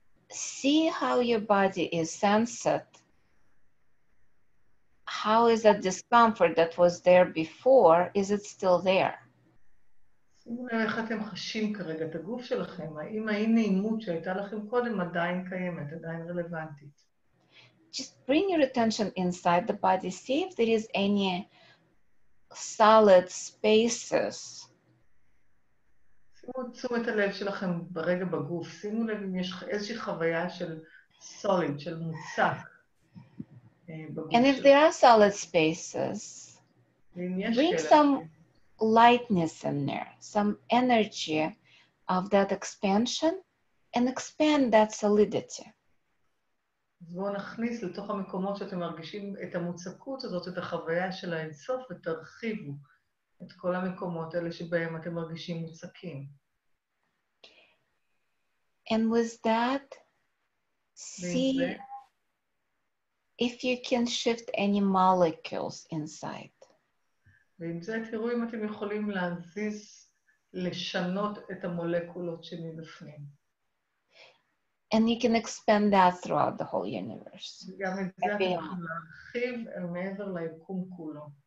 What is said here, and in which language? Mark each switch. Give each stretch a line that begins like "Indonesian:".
English: See how your body is sensed. How is that discomfort that was there before, is it still there?
Hebrew: אם אולי איך אתם חשים כרגע את הגוף שלכם, האם הנעימות שהייתה לכם קודם עדיין קיימת, עדיין רלוונטית.
English: Just bring your attention inside the body, see if there is any solid spaces.
Hebrew: שימו את תשומת הלב שלכם ברגע בגוף, שימו לב אם יש איזושהי חוויה של solid, של מוצק.
English: And if there are solid spaces, bring some lightness in there, some energy of that expansion, and expand that solidity.
Hebrew: אז בואו נכניס לתוך המקומות שאתם מרגישים את המוצקות הזאת, את החוויה של האינסוף, ותרחיבו את כל המקומות האלה שבהם אתם מרגישים מוצקים.
English: And with that, see if you can shift any molecules inside.
Hebrew: ועם זה תראו אם אתם יכולים להזיז, לשנות את המולקולות שמבפנים.
English: And you can expand that throughout the whole universe.
Hebrew: גם את זה אתם יכולים להרחיב אל מעבר ליקום כולו.